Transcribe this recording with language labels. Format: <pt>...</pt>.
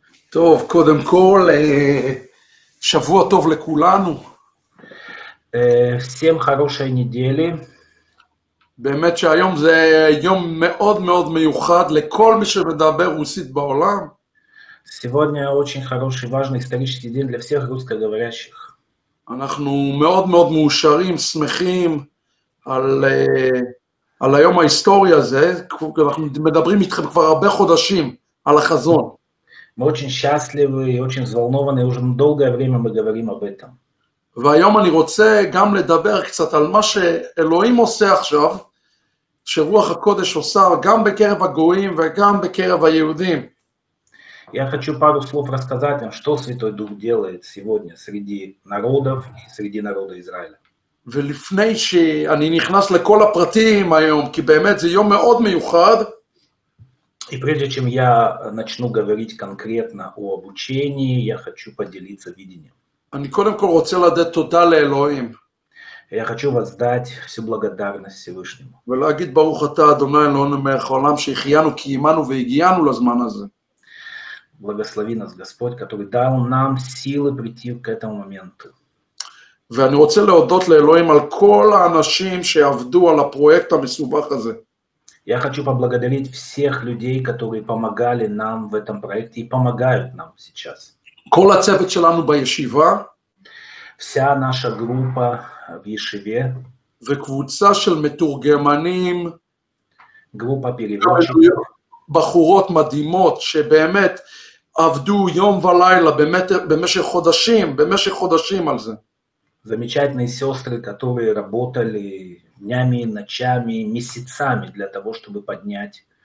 <he>טוב, קודם כל, שבוע טוב לכולנו.</he> <ru>Всем хорошей недели.</ru> <he>באמת שהיום זה יום מאוד מאוד מיוחד לכל מי שמדבר רוסית בעולם.</he> <ru>Сегодня очень хороший, важный исторический день для всех русскоговорящих.</ru> <he>אנחנו מאוד מאוד מאושרים, שמחים על היום ההיסטורי הזה. אנחנו מדברים איתכם כבר הרבה חודשים על החזון.</he> <ru>Мы очень счастливы и очень взволнованы, уже долгое время мы говорим об этом.</ru> <he>והיום אני רוצה גם לדבר קצת על מה שאלוהים עושה עכשיו, שרוח הקודש עושה גם בקרב הגויים וגם בקרב היהודים.</he> <ru>Я хочу пару слов рассказать вам, что Святой Дух делает сегодня среди народов и среди народа Израиля.</ru> <he>ולפני שאני נכנס לכל הפרטים היום, כי באמת זה יום מאוד מיוחד,</he> <ru>И прежде чем я начну говорить конкретно о обучении, я хочу поделиться видением.</ru> <he>אני קודם כל רוצה לדעת תודה לאלוהים.</he> <ru>Я хочу воздать всю благодарность Всевышнему.</ru> <he>ולהגיד ברוך אתה אדוני אלוהינו מלך העולם שהחיינו קיימנו והגיענו לזמן הזה.</he> <ru>Благослови нас Господь, который дал нам силы прийти к этому моменту.</ru> <he>ואני רוצה להודות לאלוהים על כל האנשים שעבדו על הפרויקט המסובך הזה.</he> <ru>Я хочу поблагодарить всех людей, которые помогали нам в этом проекте и помогают нам сейчас.</ru> <he>כל הצוות שלנו בישיבה.</he> <ru>Вся наша группа в Ешиве.</ru> <he>וקבוצה של מתורגמנים.</he> <ru>Группа переводчиков.</ru> <he>בחורות מדהימות שבאמת עבדו יום ולילה במשך חודשים על זה.</he> <ru>Замечательные сестры, которые работали днями, ночами, месяцами для того, чтобы поднять.</ru>